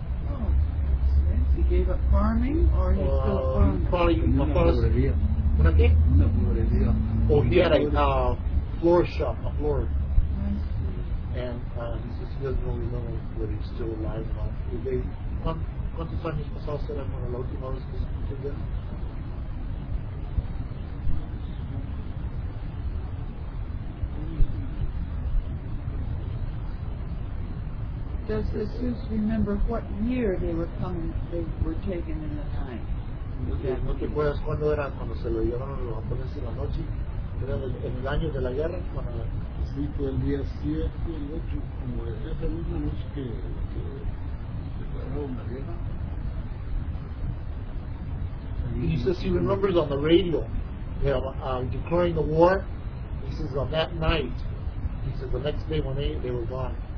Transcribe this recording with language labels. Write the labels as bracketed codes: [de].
[en] Oh, he gave up farming, or he still farming? Probably, my father's. He had a floor shop. I see. And he says he doesn't really know whether he's still alive or not. [es] ¿Cuántos años pasó usted en la última vez que se escuchó de él? [en] Does Jesus remember what year they were taken in the time? [es] ¿No te acuerdas cuándo era cuando se lo llevaron los japoneses en la noche? ¿Era en el año de la guerra? Sí, fue el día 7 y 8, como era la misma noche que declararon la guerra. [en] He says he remembers on the radio, declaring the war. He says on that night, he says the next day when they were gone.